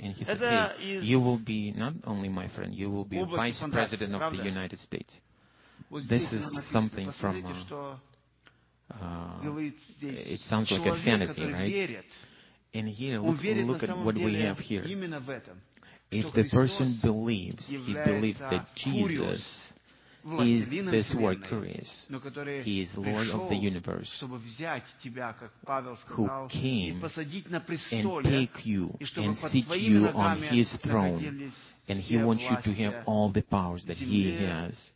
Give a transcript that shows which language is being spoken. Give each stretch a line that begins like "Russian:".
Russian: Это из области фантастики, правда? Вот здесь написано, посмотрите, что говорит здесь человек, который верит.
English: And here, look at what we have here.
Russian: Именно в этом.
English: If the person believes, he believes that Jesus is this word Kurios. He is Lord of the universe,
Russian: чтобы взять тебя, как Павел сказал,
English: who came
Russian: и посадить на престоле,
English: and take you and sit you on his throne. And he wants you to have all the powers that he has.